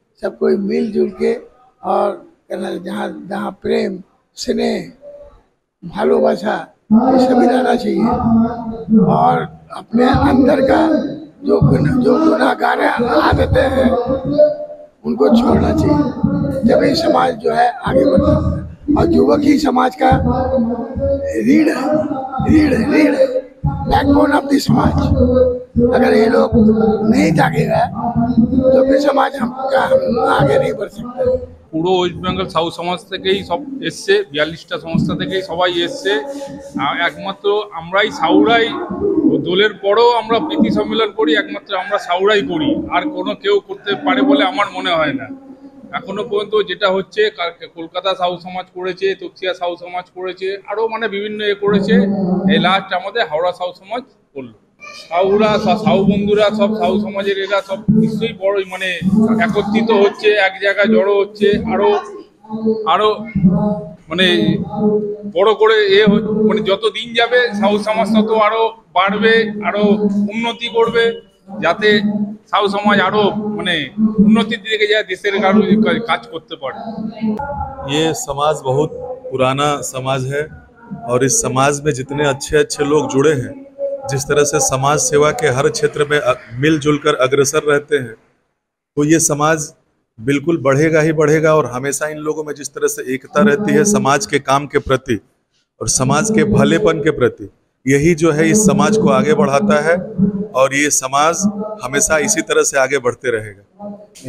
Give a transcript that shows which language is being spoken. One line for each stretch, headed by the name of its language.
Hindi: सब कोई मिलजुल के और करना, जहाँ जहाँ प्रेम स्नेह भालोबासा ये सभी रहना चाहिए और अपने अंदर का जो गुनाहगार आदतें हैं उनको छोड़ना चाहिए, जब ही समाज जो है आगे बढ़ता है। और युवक ही समाज का रीढ़ है, रीढ़ बैकबोन ऑफ द समाज। अगर ये लोग नहीं जागेगा तो फिर समाज आगे नहीं बढ़ सकता।
Bangla: পুরো ওয়েস্ট বেঙ্গল সাউ সমাজ থেকেই সব এসছে, 42টা সংস্থা থেকেই সবাই এসছে, একমাত্র আমরাই সাউরাই দোলের পরও আমরা প্রীতি সম্মেলন করি, একমাত্র আমরা সাউরাই করি, আর কোনো কেউ করতে পারে বলে আমার মনে হয় না। এখনো পর্যন্ত যেটা হচ্ছে কলকাতা সাউ সমাজ করেছে, তক্তিয়া সাউ সমাজ করেছে, আরও মানে বিভিন্ন এ করেছে, এই লাস্ট আমাদের হাওড়া সাউ সমাজ করলো। সাউরা সাউ বন্ধুরা সব সাউ সমাজের এরা সব নিশ্চয়ই বড় মানে একত্রিত হচ্ছে, এক জায়গায় জড়ো হচ্ছে, আরো আরো মানে বড় করে এ মানে যত দিন যাবে সাউ সমাজ তত আরো বাড়বে, আরো উন্নতি করবে, যাতে সাউ সমাজ আরো মানে উন্নতির দিকে যায়, দেশের কারো কাজ করতে পারে।
Hindi: এ সমাজ বহুত पुराना समाज है और इस समाज में जितने अच्छे अच्छे लोग जुड़े हैं, जिस तरह से समाज सेवा के हर क्षेत्र में मिलजुल कर अग्रसर रहते हैं, तो ये समाज बिल्कुल बढ़ेगा ही बढ़ेगा। और हमेशा इन लोगों में जिस तरह से एकता रहती है समाज के काम के प्रति और समाज के भलेपन के प्रति, यही जो है इस समाज को आगे बढ़ाता है और ये समाज हमेशा इसी तरह से आगे बढ़ते रहेगा।